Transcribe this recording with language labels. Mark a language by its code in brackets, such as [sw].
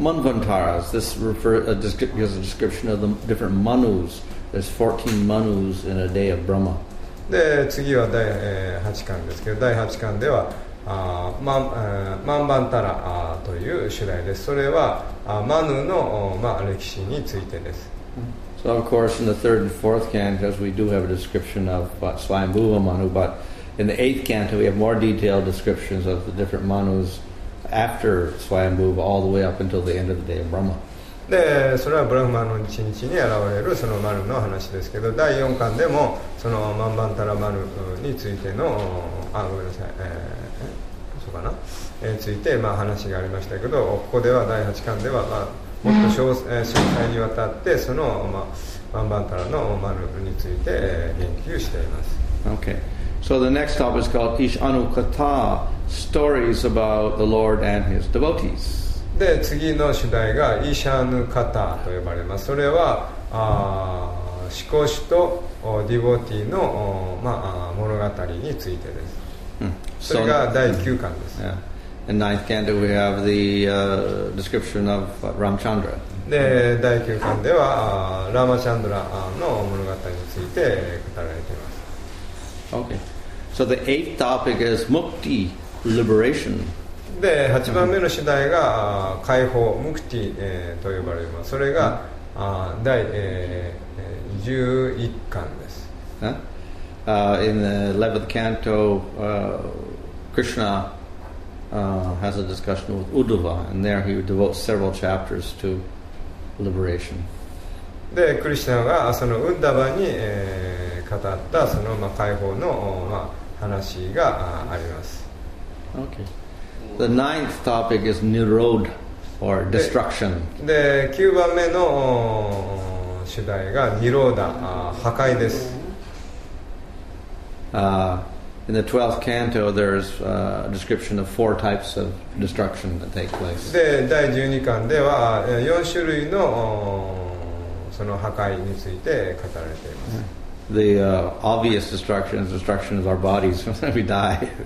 [en] ん、Another topic is Manvantaras. This gives a description of the different manus. There's 14 manus in a day of Brahma. [ja] で次は第8巻ですけど、第8巻ではマンバンタラという主題です。それはマヌの、まあ、歴史についてです。 [en] So of course in the third and fourth cantos we do have a description of Swayambhuva Manu, but in the eighth canto we have more detailed descriptions of the different manus after Swayambhuva all the way up until the end of the day of Brahma. [ja] でそれはブラフマの一日に現れるそのマヌの話ですけど、第4巻でもそのマンバンタラマヌについてのごめんなさい、そうかな、ついて、まあ、話がありましたけど、ここでは第8巻では、まあ、もっと 詳細にわたってその、まあ、マンバンタラのマヌについて、言及しています。 [en] OK So the next topic is called Ishanukata Stories about the Lord and His Devotees。 [ja] で次の主題がイシャヌカタと呼ばれます。それは思考主とディボティの、まあ、物語についてです。それが第9巻です。 [en] Yeah. In ninth canto we have the description of Ramchandra. [ja] で第9巻ではラマチャンドラの物語について語られています。 [en] Okay. So the eighth topic is Mukti, liberation. [ja] で8番目の主題が解放ムクティ、と呼ばれます。それが、第、11巻です。 [en] In the 11th canto, Krishna has a discussion with Uddhava, and there he devotes several chapters to liberation. [ja] で、クリシナがそのウッダバに、語ったその、まあ、解放の、まあ、話が あります。 [en] Okay. The ninth topic is Nirodha or destruction. [ja] で、九番目の主題がニローダ、破壊です。 [en] In the 12th canto, there's a description of four types of destruction that take place. [ja] で、第十二巻では四種類のその破壊について語られています。 [en] Yeah. The obvious destruction is destruction of our bodies when we die.